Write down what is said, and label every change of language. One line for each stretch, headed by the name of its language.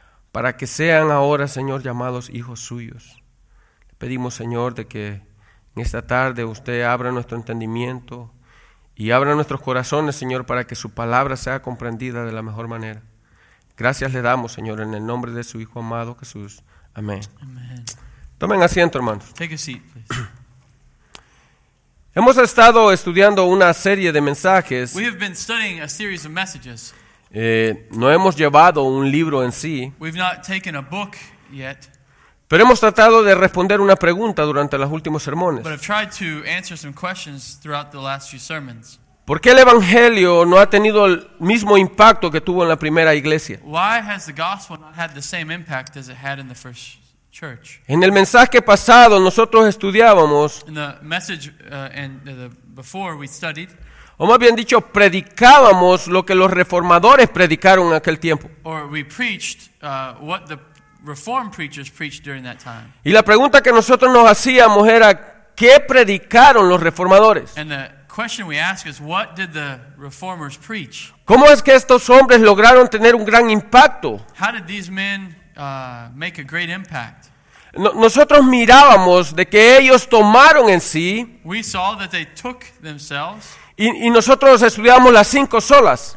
Spanish: Para que sean ahora, Señor, llamados hijos suyos. Le pedimos, Señor, de que en esta tarde usted abra nuestro entendimiento y abra nuestros corazones, Señor, para que su palabra sea comprendida de la mejor manera. Gracias le damos, Señor, en el nombre de su Hijo amado Jesús. Amén.
English: Amen.
Spanish: Tomen asiento, hermanos.
English: Take a seat, please.
Spanish: Hemos estado estudiando una serie de mensajes.
English: We have been studying a series of messages.
Spanish: No hemos llevado un libro en sí.
English: We've not taken a book yet,
Spanish: pero hemos tratado de responder una pregunta durante los últimos sermones.
English: But I've tried to answer some questions throughout the last few sermons.
Spanish: ¿Por qué el Evangelio no ha tenido el mismo impacto que tuvo en la primera iglesia?
English: Why has the gospel not had the same impact as it had in the first church?
Spanish: En el mensaje pasado nosotros estudiábamos.
English: In the message before we studied.
Spanish: O más bien dicho, predicábamos lo que los reformadores predicaron en aquel tiempo.
English: Or we preached, what the reformed preachers preached during that time.
Spanish: Y la pregunta que nosotros nos hacíamos era, ¿qué predicaron los reformadores?
English: And the question we ask is, what did the reformers preach?
Spanish: ¿Cómo es que estos hombres lograron tener un gran impacto?
English: How did these men, make a great impact?
Spanish: Nosotros mirábamos de que ellos tomaron en sí.
English: We saw that they took themselves.
Spanish: Y nosotros estudiamos las cinco solas.